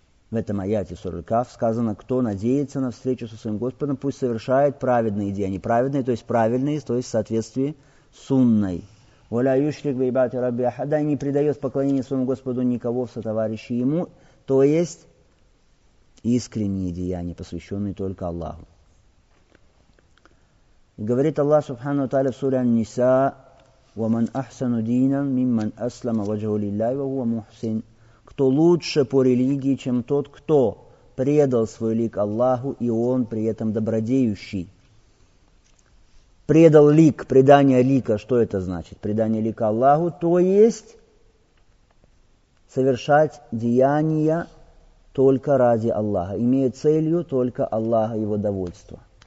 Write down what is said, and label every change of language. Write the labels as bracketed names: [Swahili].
[Russian] В этом аяте суры Аль-Кахф сказано, кто надеется на встречу со своим Господом, пусть совершает праведные деяния. Праведные, то есть правильные, то есть в соответствии с сунной. [Arabic] «Валя юшрик би ибадати Рабби ахада», [Russian] не предает в поклонении своему Господу никого в сотоварищи ему, то есть искренние деяния, посвященные только Аллаху. Говорит Аллах Субхану Тааля в суре Ан-Ниса: [Arabic] وَمَنْ أَحْسَنُ دِينًا مِمَّنْ أَسْلَمَ وَجْهُ لِلَّهِ وَهُوَ مُحْسِنٌ. [Russian] Кто лучше по религии, чем тот, кто предал свой лик Аллаху, и он при этом добродеющий. предал лик, предание лика, что это значит? Предание лика Аллаху, то есть совершать деяния только ради Аллаха, имея целью только Аллаха, его довольство.